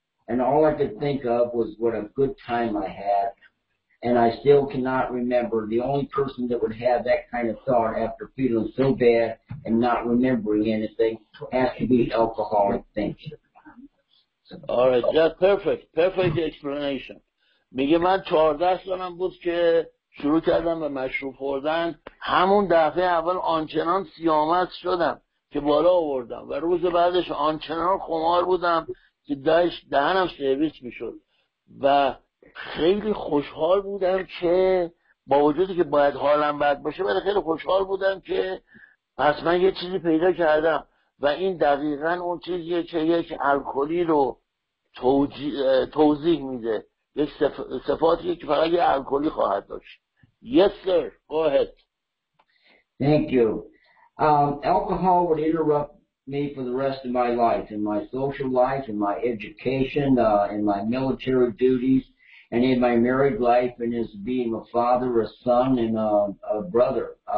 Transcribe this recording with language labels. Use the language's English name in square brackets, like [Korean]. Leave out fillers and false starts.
[English] And all I could think of was what a good time I had. And I still cannot remember. The only person that would have that kind of thought after feeling so bad and not remembering anything has to be an alcoholic thinking. All right. That's perfect. Perfect explanation. [Persian] میگه من 14 سالم بود که شروع کردم به مشروب خوردن. همون دفعه اول آنچنان سیامت شدم که بالا آوردم و روز بعدش آنچنان خمار بودم که داشت دهنم سرویس میشد و خیلی خوشحال بودم که با وجودی که باید حالم بد باشه ولی خیلی خوشحال بودم که پس من یه چیزی پیدا کردم. و این دقیقا اون چیزیه که یک الکلی رو توضیح میده، یک صفاتی که فقط یه الکلی خواهد داشت. [English] Yes, sir. Go ahead. Thank you. Alcohol would interrupt me for the rest of my life, in my social life, in my education, in my military duties, and in my married life, and as being a father, a son, and a brother.